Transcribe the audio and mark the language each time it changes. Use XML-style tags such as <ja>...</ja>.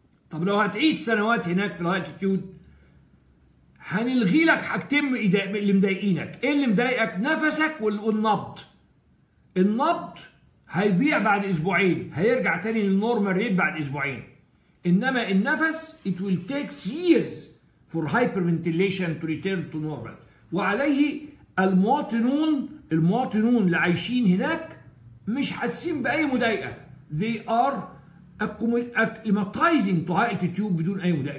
<ar>طب لو هتعيش سنوات هناك في الهاي التيتيود هنلغي لك حاجتين اللي مضايقينك. ايه اللي مضايقك؟ نفسك والنبض. النبض هيضيع بعد اسبوعين، هيرجع تاني للنورمال ريت بعد اسبوعين. انما النفس</ar> <en>it will take years for hyperventilation to return to normal.</en> <ar>وعليه المواطنون، المواطنون اللي عايشين هناك مش حاسين باي مضايقه.</ar> <en>They are acclimatizing to high altitude</en> <ar>بدون اي مضايقه.</ar>